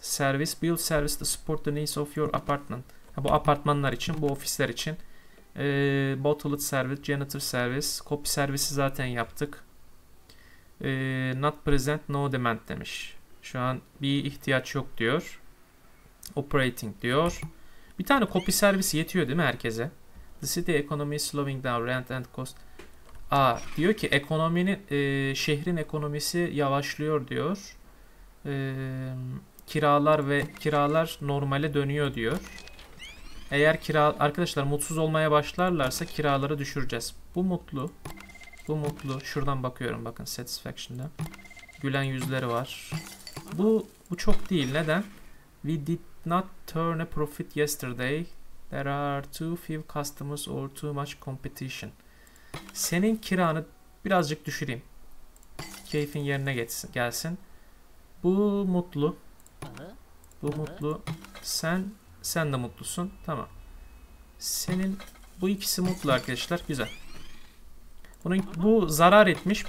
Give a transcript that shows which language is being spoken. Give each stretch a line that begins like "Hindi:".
English: Service build service to support the needs of your apartment.
Turkish: Ha, bu apartmanlar için, bu ofisler için Bottle Service, Janitor Service, Copy Service'i zaten yaptık.
English: Not present, no demand
Turkish: demiş. Şu an bir ihtiyaç yok diyor. Operating diyor. Bir tane copy servisi yetiyor değil mi herkese?
English: The city economy is slowing down, rent and cost.
Turkish: Aa, diyor ki ekonominin şehrin ekonomisi yavaşlıyor diyor. Kiralar normale dönüyor diyor. Arkadaşlar mutsuz olmaya başlarlarsa kiraları düşüreceğiz. Bu mutlu. Bu mutlu. Şuradan bakıyorum bakın satisfaction'da. Gülen yüzleri var. Bu çok değil. Neden?
English: We did not turn a profit yesterday. There are too few customers or too much competition.
Turkish: Senin kiranı birazcık düşüreyim. Keyfin yerine gelsin. Bu mutlu. Bu mutlu. Sen de mutlusun. Tamam. Senin bu ikisi mutlu arkadaşlar. Güzel. Bu zarar etmiş.